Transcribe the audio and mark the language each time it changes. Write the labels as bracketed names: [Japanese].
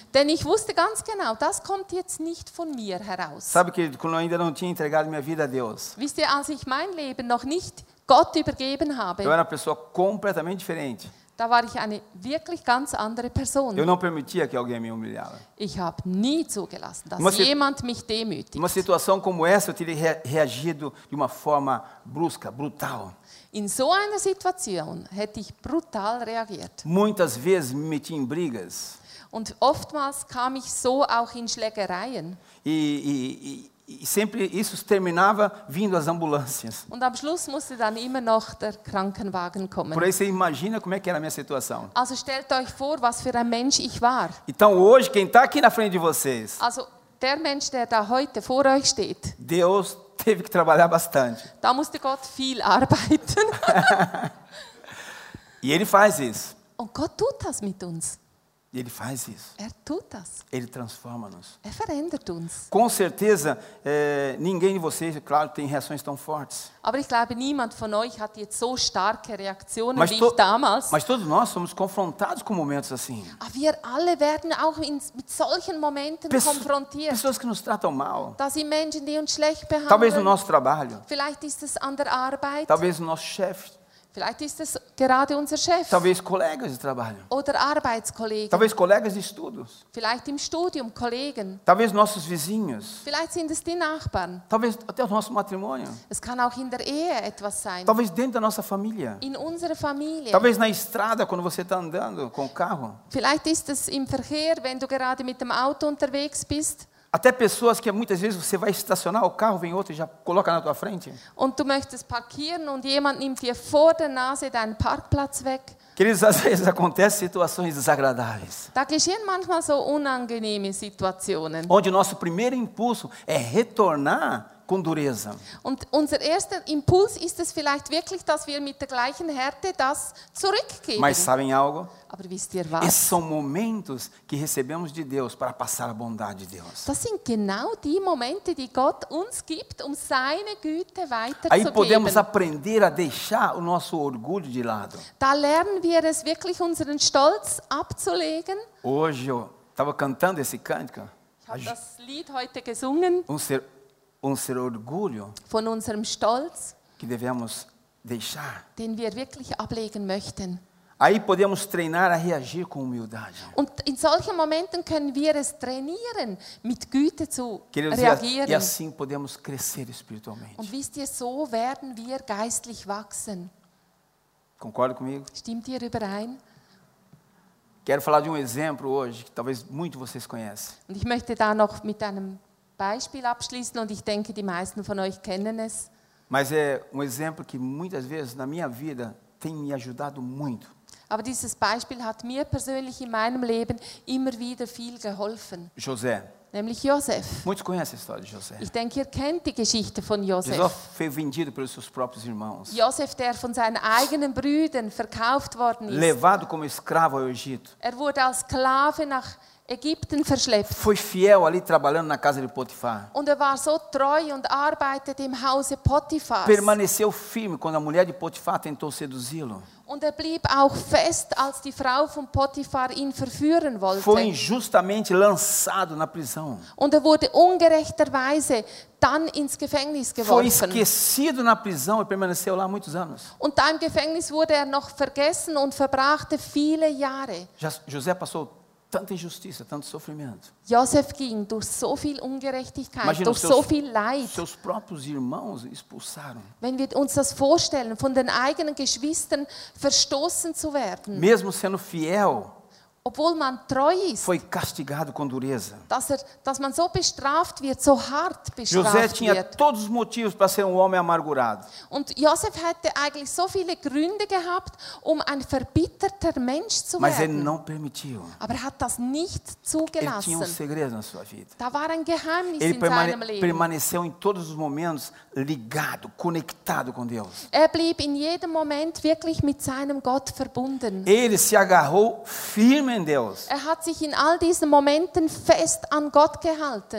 [German] Denn ich wusste ganz genau, das kommt jetzt nicht von mir heraus. [Portuguese] Sabe que quando eu ainda não tinha entregado minha vida a Deus. [German] Wisst ihr, als ich mein Leben noch nicht Gott übergeben habe. [Portuguese] Eu era uma pessoa completamente diferente. [German] Da war ich eine wirklich ganz andere Person. [Portuguese] Eu não permitia que alguém me humilhasse. [German] Ich habe nie zugelassen, dass jemand mich demütigt. [Portuguese] Uma situação como essa, eu teria reagido de uma forma brusca, brutal. [German] In so einer Situation hätte ich brutal reagiert. [Portuguese] Muitas vezes me meti em brigas. [German] Und oftmals kam ich so auch in Schlägereien. [Portuguese] E sempre isso terminava vindo as ambulâncias. [German] Und am Schluss musste dann immer noch der Krankenwagen kommen. [Portuguese] Por aí você imagina como é que era a minha situação. [German] Also stellt euch vor, was für ein Mensch ich war. [Portuguese] Então hoje quem está aqui na frente de vocês. [German] Also der Mensch, der da heute vor euch steht. [Portuguese] Deus teve que trabalhar bastante. [German] Da musste Gott viel arbeiten. [Portuguese] E ele faz isso. [German] Und Gott tut das mit uns. [Portuguese] Ele faz isso. [German] Er tut das. [Portuguese] Ele transforma-nos. [German] Er verändert uns. [Portuguese] Com certeza, ninguém de vocês, claro, tem reações tão fortes. [German] Aber ich glaube, niemand von euch hat jetzt so starke Reaktionen wie ich damals. [Portuguese] Mas todos nós somos confrontados com momentos assim. [German] Aber wir alle werden auch mit solchen Momenten konfrontiert. [Portuguese] Pessoas que nos tratam mal. [German] Das sind Menschen, die uns schlecht behandeln. [Portuguese] Talvez no nosso trabalho. [German] Vielleicht ist es an der Arbeit. [Portuguese] Talvez no nosso chefe. [German] Vielleicht ist es gerade unser Chef. [Portuguese] Talvez colegas de trabalho. [German] Oder Arbeitskollegen. [Portuguese] Talvez colegas de estudos. [German] Vielleicht im Studium Kollegen. [Portuguese] Talvez nossos vizinhos. [German] Vielleicht sind es die Nachbarn. [Portuguese] Talvez até o nosso matrimônio. [German] Es kann auch in der Ehe etwas sein. [Portuguese] Talvez dentro da nossa família. [German] In unserer Familie. [Portuguese] Talvez na estrada quando você está andando com o carro. [German] Vielleicht ist es im Verkehr, wenn du gerade mit dem Auto unterwegs bist. [Portuguese] Até pessoas que muitas vezes você vai estacionar o carro, vem outro e já coloca na tua frente. [German] Und du möchtest parkieren und jemand nimmt dir vor der Nase deinen Parkplatz weg. [Portuguese] Queridos, às vezes acontecem situações desagradáveis. [German] Da geschehen manchmal so unangenehme Situationen. [Portuguese] Onde nosso primeiro impulso é retornar com dureza. [German] Und unser erster Impuls ist es vielleicht wirklich, dass wir mit der gleichen Härte das zurückgeben. [Portuguese] Mas sabem algo? [German] Aber wisst ihr was? [Portuguese] Esses são momentos que recebemos de Deus para passar a bondade de Deus. [German] Das sind genau die Momente, die Gott uns gibt, seine Güte weiterzugeben. [Portuguese] Aí podemos aprender a deixar o nosso orgulho de lado. [German] Da lernen wir es wirklich, unseren Stolz abzulegen. [Portuguese] Hoje eu estava cantando esse cântico. [German] Ich habe das Lied heute gesungen. Unser [Portuguese] orgulho. [German] Von unserem Stolz. [Portuguese] Que devemos deixar. [German] Den wir wirklich ablegen möchten. [Portuguese] Aí podemos treinar a reagir com humildade. [German] Und in solchen Momenten können wir es trainieren, mit Güte zu reagieren. [Portuguese] E assim podemos crescer espiritualmente. [German] Und wisst ihr, so werden wir geistlich wachsen. [Portuguese] Concorda comigo? [German] Stimmt ihr überein? [Portuguese] Quero falar de exemplo hoje, que talvez muitos de vocês conheçam. [German] Und ich möchte da noch mit einem Beispiel abschließen und ich denke, die meisten von euch kennen es. [Portuguese] Mas é exemplo que muitas vezes na minha vida tem me ajudado muito. [German] Aber dieses Beispiel hat mir persönlich in meinem Leben immer wieder viel geholfen. [Portuguese] José. [German] Nämlich Josef. [Portuguese] Muitos conhecem a história de José. [German] Ich denke, ihr kennt die Geschichte von Josef. [Portuguese] José foi vendido pelos seus próprios irmãos. [German] Josef, der von seinen eigenen Brüdern verkauft worden ist. [Portuguese] Levado como escravo ao Egito. [German] Er wurde als Sklave nach Ägypten verschleppt. [Portuguese] Foi fiel ali trabalhando na casa de Potifar. [German] Und er war so treu und arbeitete im Hause Potiphar. [Portuguese] Permaneceu firme quando a mulher de Potifar tentou seduzi-lo. [German] Und er blieb auch fest, als die Frau von Potiphar ihn verführen wollte. [Portuguese] Foi injustamente lançado na prisão. [German] Und er wurde ungerechterweise dann ins Gefängnis geworfen. [Portuguese] Foi esquecido na prisão e permaneceu lá muitos anos. [German] Und da im Gefängnis wurde er noch vergessen und verbrachte viele Jahre. [Portuguese] José passou tanta injustiça, tanto sofrimento. [German] Josef ging durch so viel Ungerechtigkeit, [Portuguese] imagina, [German] durch so viel Leid. [Portuguese] Seus próprios irmãos expulsaram. [German] Wenn wir uns das vorstellen, von den eigenen Geschwistern verstoßen zu werden. [Portuguese] Mesmo sendo fiel, [German] obwohl man treu ist, [Portuguese] foi castigado com dureza. [German] Dass man so bestraft wird, so hart bestraft José wird. [Portuguese] José tinha todos os motivos para ser homem amargurado. [German] Und Josef hatte eigentlich so viele Gründe gehabt, ein verbitterter Mensch zu [Portuguese] Mas [German] werden. [Portuguese] Mas ele não permitiu. [German] Aber hat das nicht zugelassen. [Portuguese] Ele tinha segredo na sua vida. [German] Da war ein Geheimnis [Portuguese] ele [German] in seinem Leben. [Portuguese] Ele permaneceu em todos os momentos ligado, conectado com Deus. [German] Er blieb in jedem Moment wirklich mit seinem Gott verbunden. [Portuguese] Ele se agarrou firme. [German] Er hat sich in all diesen Momenten fest an Gott gehalten.